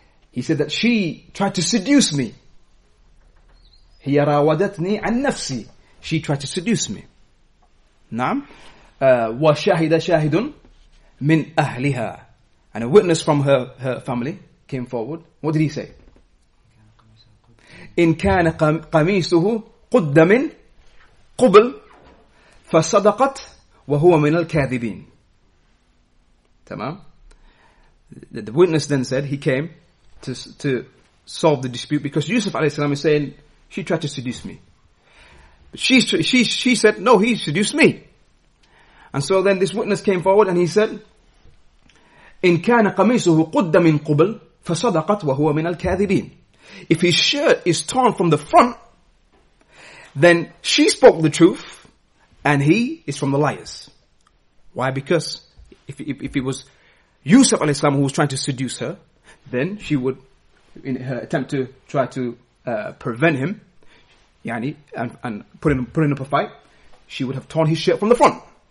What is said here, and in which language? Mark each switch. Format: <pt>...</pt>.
<en>He said that she tried to seduce me.</en> <ar>هي راودتني عن نفسي.</ar> <en>She tried to seduce me.</en> <ar>نعم. وشاهد شاهد من أهلها.</ar> <en>And a witness from her family came forward. What did he say?</en> <ar>إن كان قميصه قد من قبل فصدقت وهو من الكاذبين.</ar> <en>The witness then said he came to solve the dispute because Yusuf alayhi salam is saying she tried to seduce me. But she said no, he seduced me. And so then this witness came forward and he said,</en> <ar>إن كان قميصه قد من قبل فصدقت وهو من الكاذبين.</ar> <en>If his shirt is torn from the front, then she spoke the truth and he is from the liars. Why? Because if it was Yusuf alayhi salam who was trying to seduce her, then she would, in her attempt to try to prevent him, yani, and put him up a fight, she would have torn his shirt from the front.</en>